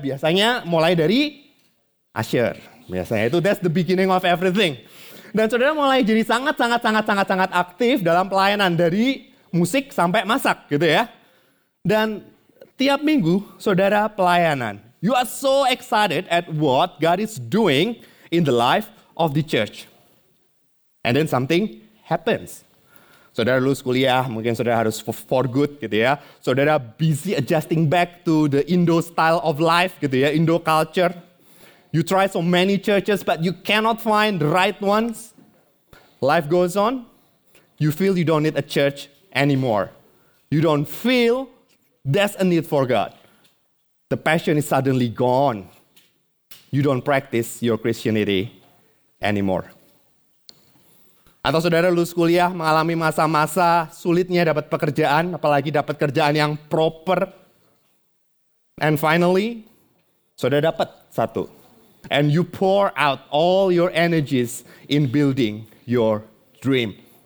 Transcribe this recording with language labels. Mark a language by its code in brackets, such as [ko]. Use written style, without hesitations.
[id] Biasanya mulai dari usher. Biasanya itu [en] that's the beginning of everything. [id] Dan saudara mulai jadi sangat aktif dalam pelayanan dari musik sampai masak gitu ya. Dan tiap minggu saudara pelayanan. [en] You are so excited at what God is doing in the life of the church. And then something happens. [id] Saudara lulus kuliah, mungkin saudara harus [en] for good [id] gitu ya. [en] Saudara busy adjusting back to the Indo style of life gitu ya, Indo culture. You try so many churches, but you cannot find the right ones. Life goes on. You feel you don't need a church anymore. You don't feel there's a need for God. The passion is suddenly gone. You don't practice your Christianity anymore. [id] Atau saudara lulus kuliah, mengalami masa-masa sulitnya dapat pekerjaan, apalagi dapat kerjaan yang proper. [en] And finally, [id] saudara dapat satu. [en] And you pour out all your energies in building your dream.